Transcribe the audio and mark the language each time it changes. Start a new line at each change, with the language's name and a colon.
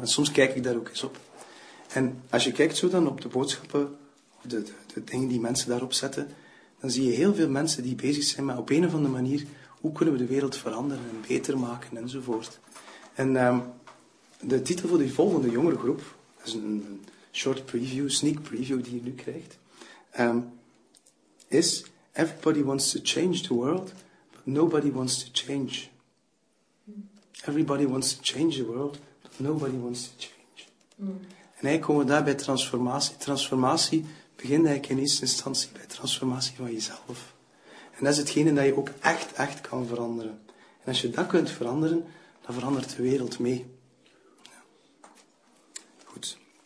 Dutch: En soms kijk ik daar ook eens op. En als je kijkt zo dan op de boodschappen, of de dingen die mensen daarop zetten, dan zie je heel veel mensen die bezig zijn met op een of andere manier, hoe kunnen we de wereld veranderen en beter maken enzovoort. En de titel voor die volgende jongere groep, dat is een short preview, sneak preview die je nu krijgt, is Everybody Wants to Change the World, but Nobody Wants to Change.
English: Everybody wants to change the world, but nobody wants to change. Mm.
Dutch: En eigenlijk komen we daar bij transformatie. Transformatie begint eigenlijk in eerste instantie bij transformatie van jezelf. En dat is hetgene dat je ook echt, echt kan veranderen. En als je dat kunt veranderen, dan verandert de wereld mee. Ja. Goed.